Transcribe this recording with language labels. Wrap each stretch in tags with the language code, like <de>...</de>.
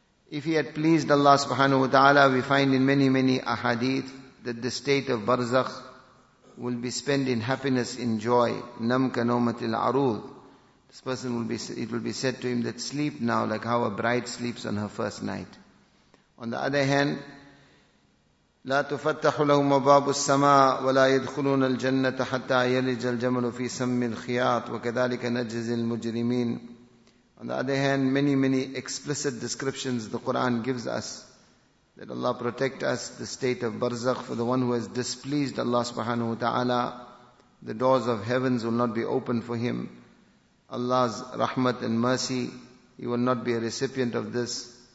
<en>If he had pleased Allah subhanahu wa ta'ala, we find in many, many ahadith that the state of barzakh will be spent in happiness, in joy.</en> <ar>Nam ka nawmatil arud.</ar> <en>This person will be, it will be said to him that sleep now, like how a bride sleeps on her first night. On the other hand,</en> <ar>لا تفتح لهم باب السماء ولا يدخلون الجنة حتى يلج الجمل في سم الخياط وكذلك نجزي المجرمين.</ar> <en>On the other hand, many, many explicit descriptions the Quran gives us, that Allah protect us, the state of barzakh, for the one who has displeased Allah subhanahu wa ta'ala, the doors of heavens will not be open for him. Allah's rahmat and mercy, he will not be a recipient of this.</en>